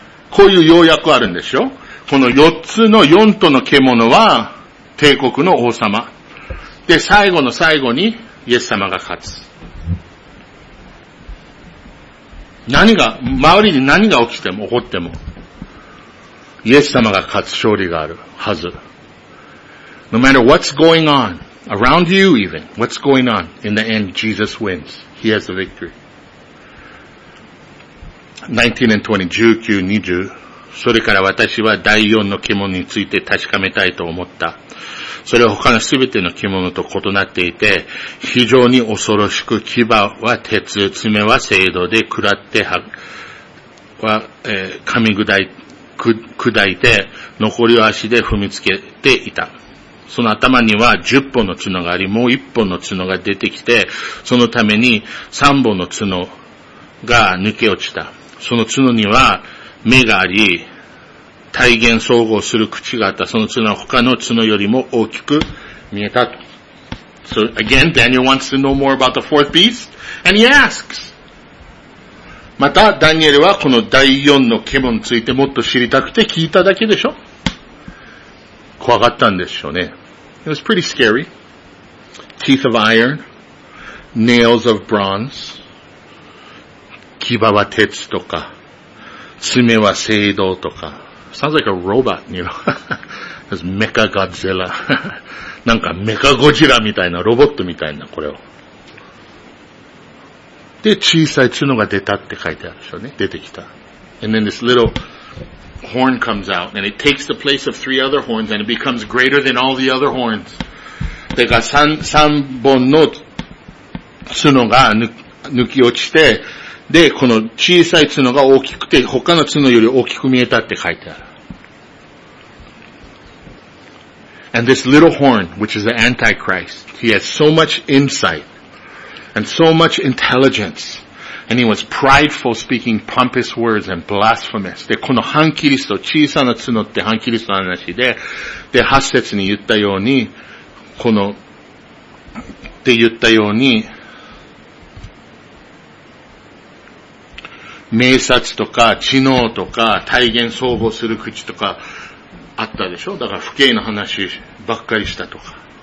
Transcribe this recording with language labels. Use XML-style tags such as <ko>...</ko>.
<ja>こういう要約あるんでしょ?この四つの四頭の獣は帝国の王様。で、最後の最後にイエス様が勝つ。周りに何が起きても、起こっても、イエス様が勝つ勝利があるはず。</ja> <en>No matter what's going on, around you even, what's going on, in the end, Jesus wins. He has the victory. 19 and 20, 19, 20.</en> <ja>それから私は第四の獣について確かめたいと思った。それは他のすべての獣と異なっていて、非常に恐ろしく、牙は鉄、爪は青銅で、喰らって噛み砕いて、残りを足で踏みつけていた。その頭には十本の角があり、もう一本の角が出てきて、そのために三本の角が抜け落ちた。その角には目があり、体現総合する口があった。その角は他の角よりも大きく見えたと。</ja> <en>So again, Daniel wants to know more about the fourth beast, and he asks.</en> <ja>また、ダニエルはこの第四の獣についてもっと知りたくて聞いただけでしょ? 怖かったんでしょうね。</ja> <en>It was pretty scary. Teeth of iron, nails of bronze.</en> <ja>牙は鉄とか、爪は青銅とか。</ja> <en>Sounds like a robot, you know. That's Mecha Godzilla.</en> <ja>なんかメカゴジラみたいな、ロボットみたいな、これを。で、小さい角が出たって書いてあるでしょうね。出てきた。</ja> <en>And then this little horn comes out, and it takes the place of three other horns, and it becomes greater than all the other horns.</en> <ja>だから三本の角が抜き落ちて、で、この小さい角が大きくて、他の角より大きく見えたって書いてある。</ja> <en>And this little horn, which is the Antichrist, he has so much insight, and so much intelligence, and he was prideful speaking pompous words and blasphemous.</en> <ja>で、この反キリスト、小さな角って反キリストの話で、で、八節に言ったように、この、って言ったように、名察とか知能とか体現総合する口とかあったでしょ?だから不敬の話ばっかりしたとか。</ja>